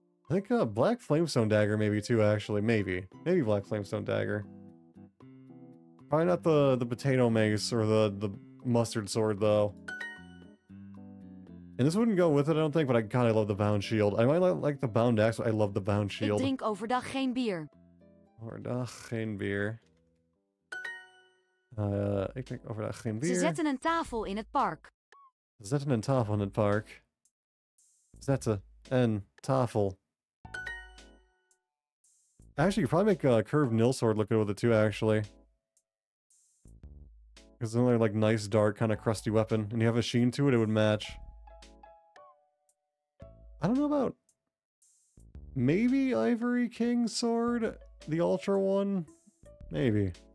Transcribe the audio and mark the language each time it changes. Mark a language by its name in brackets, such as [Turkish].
[English] I think a black flamestone dagger maybe too, actually. Maybe black flamestone dagger. Probably not the potato mace or the mustard sword, though. And this wouldn't go with it, I don't think, but I love the bound shield. I might like the bound axe, but I love the bound shield. [Dutch] Ik drink overdag geen bier. Overdag geen bier. Ik drink overdag geen bier. Ze zetten een tafel in het park. Zetten een tafel in het park. Zetten een tafel. [English] Actually, you probably make a curved nil sword look good with it too, actually. Because it's another like nice, dark, kind of crusty weapon. And you have a sheen to it would match. I don't know about maybe Ivory King sword, the ultra one, maybe.